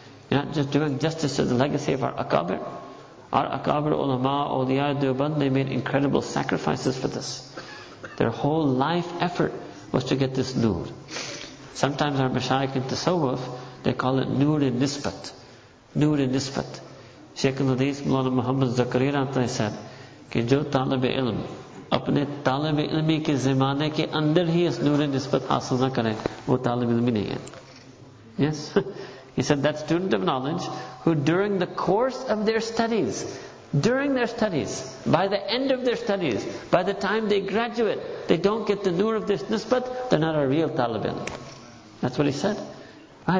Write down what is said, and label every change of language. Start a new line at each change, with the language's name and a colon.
English: You're not just doing justice to the legacy of our akabir. Our akabir ulama, awliya, duoband, they made incredible sacrifices for this. Their whole life effort was to get this nur. Sometimes our mashayikh in tasawwuf, they call it nur in nisbat.
Urdu: نور ان نسبت. Shaykh al-Hadith Mawlana Muhammad Zakariya Rahmatullahi said, کہ جو طالب علم اپنے طالب علمی کے زمانے کے اندر ہی اس نور نسبت حاصل نہ کریں وہ طالب علمی نہیں ہے.
English: Yes, he said that student of knowledge who during the course of their studies, during their studies, by the end of their studies, by the time they graduate, they don't get the nur of this nisbat, they're not a real talib ilm. That's what he said. Why?